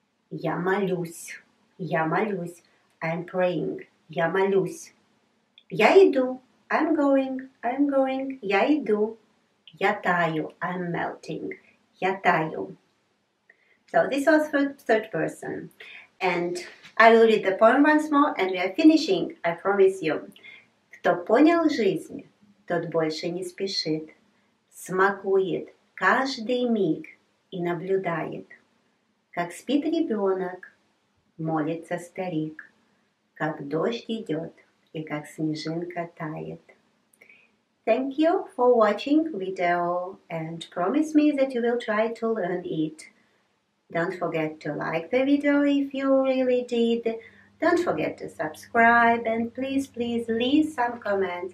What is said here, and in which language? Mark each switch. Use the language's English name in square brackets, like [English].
[Russian] Я молюсь. Я молюсь. [English] I'm praying. [Russian] Я молюсь. Я иду. [English] I'm going. [Russian] Я иду. Я таю. [English] I'm melting. [Russian] Я таю. [English] So this was for third person. And I will read the poem once more and we are finishing. I promise you. [Russian] Кто понял жизнь, тот больше не спешит. Смакует каждый миг и наблюдает. Как спит ребенок, молится старик. Как дождь идет и как снежинка тает. [English] Thank you for watching video and promise me that you will try to learn it. Don't forget to like the video if you really did. Don't forget to subscribe and please leave some comments.